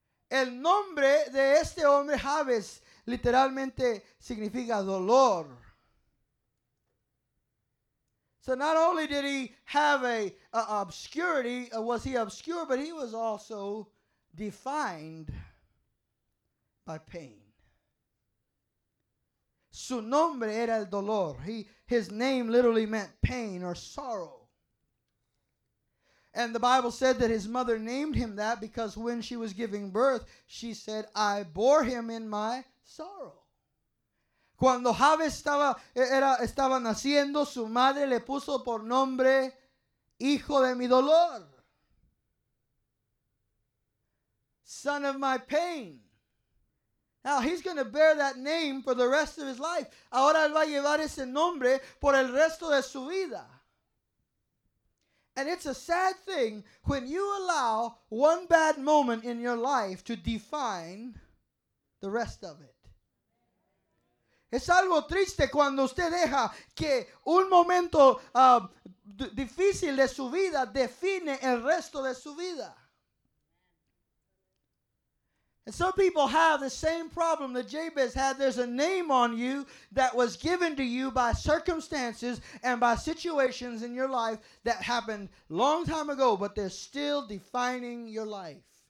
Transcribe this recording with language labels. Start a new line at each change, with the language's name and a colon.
Spanish: El nombre de este hombre, Jabez, literalmente significa dolor.
English: So not only did he have a obscurity, was he obscure, but he was also defined by pain.
Spanish: Su nombre era el dolor.
English: His name literally meant pain or sorrow. And the Bible said that his mother named him that because when she was giving birth, she said, I bore him in my sorrow.
Spanish: Cuando Javes estaba naciendo, su madre le puso por nombre Hijo de mi dolor.
English: Son of my pain. Now he's going to bear that name for the rest of his life.
Spanish: Ahora él va a llevar ese nombre por el resto de su vida.
English: And it's a sad thing when you allow one bad moment in your life to define the rest of it.
Spanish: Es algo triste cuando usted deja que un momento difícil de su vida define el resto de su vida.
English: And some people have the same problem that Jabez had. There's a name on you that was given to you by circumstances and by situations in your life that happened long time ago, but they're still defining your life.